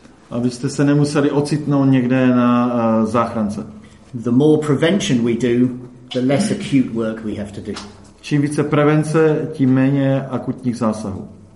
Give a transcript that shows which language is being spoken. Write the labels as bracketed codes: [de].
[cs] Abyste se nemuseli ocitnout někde na záchrance. [en] The more prevention we do, the less acute work we have to do. [cs] Čím více prevence, tím méně akutních zásahů.